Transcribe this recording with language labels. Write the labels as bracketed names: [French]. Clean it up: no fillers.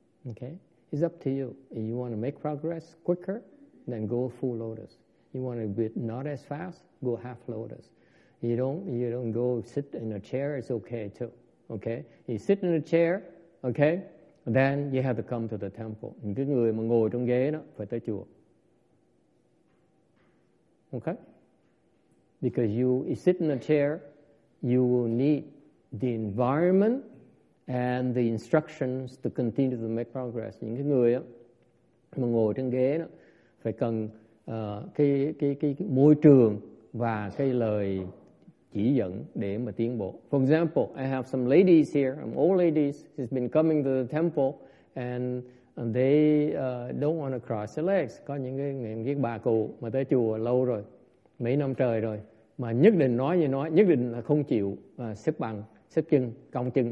[English] Okay, it's up to you. If you want to make progress quicker, then go full lotus. You want to be not as fast, go half lotus. You don't go sit in a chair. It's okay too. Okay, you sit in a chair. Okay. Then you have to come to the temple. [Vietnamese] Những cái người mà ngồi trong ghế đó phải tới chùa. [English] Okay? Because you sit in a chair, you will need the environment and the instructions to continue to make progress. [Vietnamese] Những cái người đó, mà ngồi trong ghế đó phải cần cái môi trường và cái lời chỉ dẫn để mà tiến bộ. [English] For example, I have some ladies here, some old ladies, who's been coming to the temple, and they don't want to cross their legs. [Vietnamese] Có những cái người bà cụ mà tới chùa lâu rồi, mấy năm trời rồi, mà nhất định nói như nói, nhất định là không chịu xếp bằng, xếp chân, cong chân.